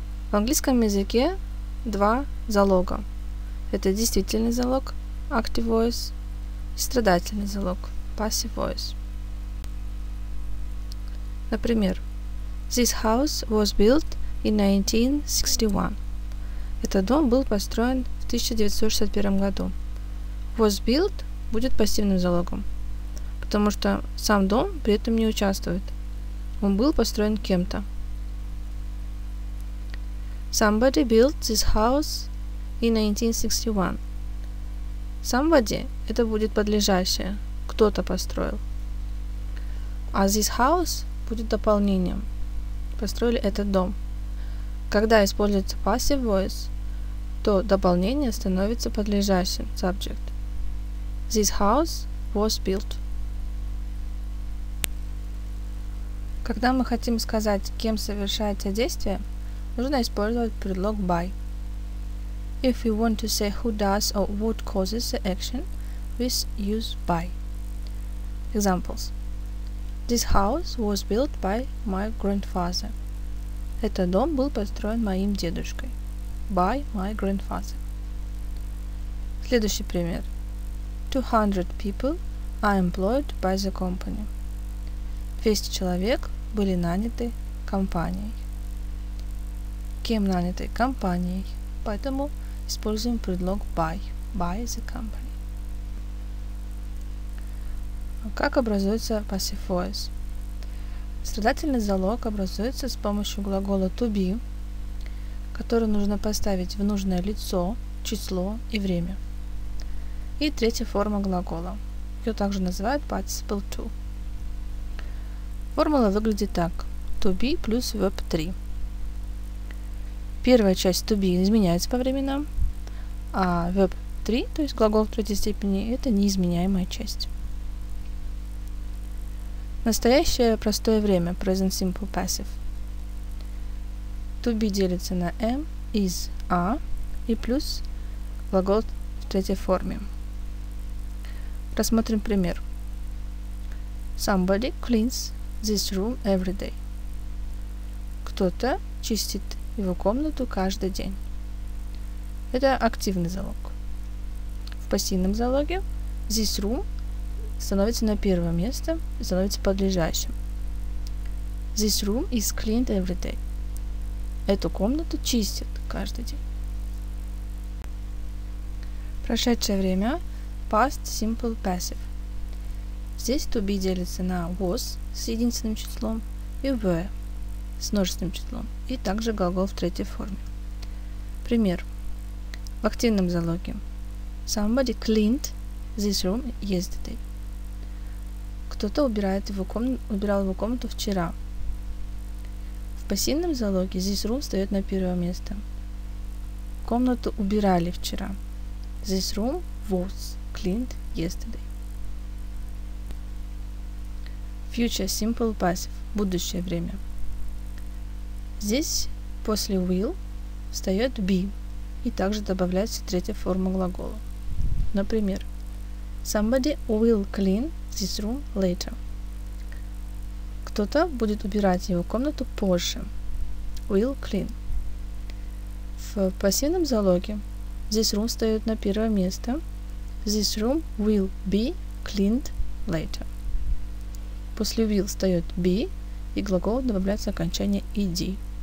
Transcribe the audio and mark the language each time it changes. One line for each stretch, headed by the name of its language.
Russian: В английском языке два залога. Это действительный залог,
English: active voice,
Russian: и страдательный залог,
English: passive voice.
Russian: Например,
English: this house was built in 1961.
Russian: Этот дом был построен в 1961 году.
English: Was built
Russian: будет пассивным залогом, потому что сам дом при этом не участвует. Он был построен кем-то.
English: Somebody built this house in 1961.
Russian: Somebody – это будет подлежащее, кто-то построил. А
English: this house
Russian: будет дополнением. Построили этот дом. Когда используется
English: passive voice,
Russian: то дополнение становится подлежащим,
English: subject. This house was built.
Russian: Когда мы хотим сказать, кем совершается действие, нужно использовать предлог by.
English: If we want to say who does or what causes the action, we use by. Examples. This house was built by my grandfather.
Russian: Этот дом был построен моим дедушкой.
English: By my grandfather.
Russian: Следующий пример.
English: 200 people are employed by the company.
Russian: 200 человек были наняты компанией. Кем нанятой компанией, поэтому используем предлог by,
English: by the company.
Russian: Как образуется
English: passive voice?
Russian: Страдательный залог образуется с помощью глагола to be, который нужно поставить в нужное лицо, число и время. И третья форма глагола, ее также называют
English: participle to.
Russian: Формула выглядит так,
English: to be
Russian: плюс
English: verb 3.
Russian: Первая часть to be изменяется по временам, а verb 3, то есть глагол в третьей степени, это неизменяемая часть. Настоящее простое время,
English: present simple passive. To be
Russian: делится на
English: am, is, are
Russian: и плюс глагол в третьей форме. Рассмотрим пример.
English: Somebody cleans this room every day.
Russian: Кто-то чистит его комнату каждый день. Это активный залог. В пассивном залоге
English: this room
Russian: становится на первое место, становится подлежащим.
English: This room is cleaned every day.
Russian: Эту комнату чистят каждый день. Прошедшее время
English: past simple passive.
Russian: Здесь
English: to be
Russian: делится на was с единственным числом и were с множественным числом, и также глагол в третьей форме. Пример. В активном залоге.
English: Somebody cleaned this room yesterday.
Russian: Кто-то убирал его комнату вчера. В пассивном залоге
English: this room
Russian: встает на первое место. Комнату убирали вчера.
English: This room was cleaned yesterday. Future simple passive.
Russian: Будущее время. Здесь после will встает be и также добавляется третья форма глагола. Например,
English: somebody will clean this room later.
Russian: Кто-то будет убирать его комнату позже.
English: Will clean.
Russian: В пассивном залоге
English: this room
Russian: встает на первое место.
English: This room will be cleaned later.
Russian: После will встает be и глагол добавляется окончание ed.